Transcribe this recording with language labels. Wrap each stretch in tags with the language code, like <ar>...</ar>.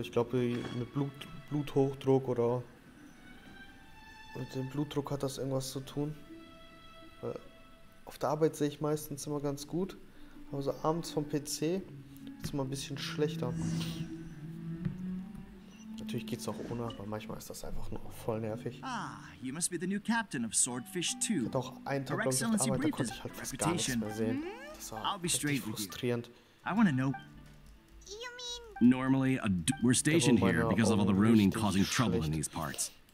<de>Ich glaube, mit Bluthochdruck oder mit dem Blutdruck hat das irgendwas zu tun. Auf der Arbeit sehe ich meistens immer ganz gut. Aber so abends vom PC ist es immer ein bisschen schlechter. Natürlich geht's auch ohne, aber manchmal ist das einfach nur voll nervig.</de> <en>Ah, you must be the new captain of Swordfish 2.</en> <de>Doch einen Tag lang nicht arbeiten, da konnte ich halt fast gar nichts mehr sehen. Das war richtig frustrierend.</de> <en>I want to know. You mean? Normally, we're stationed here because of all the ruining causing trouble in these parts.</en>